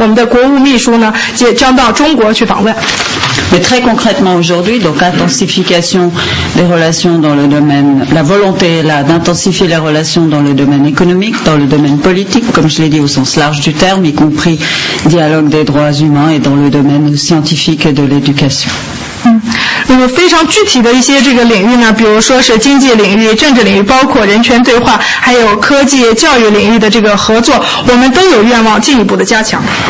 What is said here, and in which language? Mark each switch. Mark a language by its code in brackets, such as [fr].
[zh] 今天呢，我们双方主要就进一步巩固、进一步更好的这个规划双边关系呢，达成了一个意愿上面的这个一致。那么未来呢，我们将具体细化双方交流的一些方式，比如说我们双方在副外长级的这个磋商，我们的国务秘书呢，将到中国去访问。 [fr] Mais très concrètement aujourd'hui, donc intensification des relations dans le domaine, la volonté là d'intensifier les relations dans le domaine économique, dans le domaine politique, comme je l'ai dit au sens large du terme, y compris dialogue des droits humains et dans le domaine scientifique et de l'éducation. [zh] 非常具体的一些这个领域呢，比如说是经济领域、政治领域，包括人权对话，还有科技教育领域的这个合作，我们都有愿望进一步的加强。